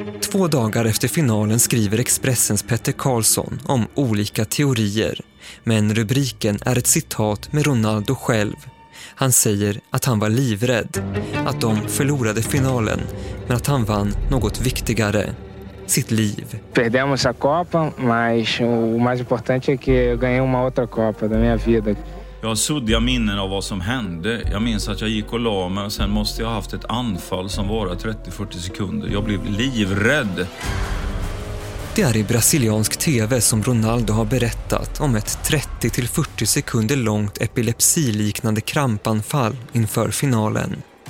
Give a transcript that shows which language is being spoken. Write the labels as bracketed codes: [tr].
[sv] 2 dagar efter finalen skriver Expressens Petter Karlsson om olika teorier. Men rubriken är ett citat med Ronaldo själv. Han säger att han var livrädd, att de förlorade finalen, men att han vann något viktigare. Sitt liv. [pt] Perdemos a copa, mas o mais importante é que eu ganhei uma outra copa da minha vida. [sv] Jag har suddiga minnen av vad som hände. Jag minns att jag gick och la mig och sen måste jag ha haft ett anfall som varar 30-40 sekunder. Jag blev livrädd. Det är i brasiliansk tv som Ronaldo har berättat om ett 30-40 sekunder långt epilepsiliknande krampanfall inför finalen.